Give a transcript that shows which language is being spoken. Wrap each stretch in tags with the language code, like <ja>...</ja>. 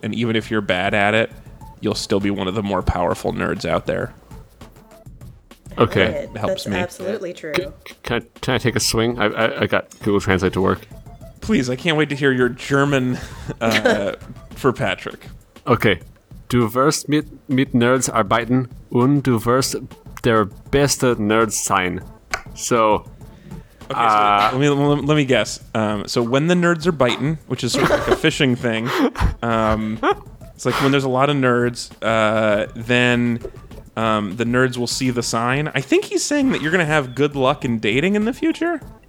<en>And even if you're bad at it, you'll still be one of the more powerful nerds out there. Okay. That helps me. That's absolutely true. Can I take a swing? I got Google Translate to work. Please, I can't wait to hear your German for Patrick. Okay.</en> <de>Du wirst mit Nerds arbeiten und du wirst der beste Nerd sein.</de> <en>So, let me guess. So when the nerds are biting, which is sort of like a fishing thing, it's like when there's a lot of nerds, then the nerds will see the sign. I think he's saying that you're going to have good luck in dating in the future.</en>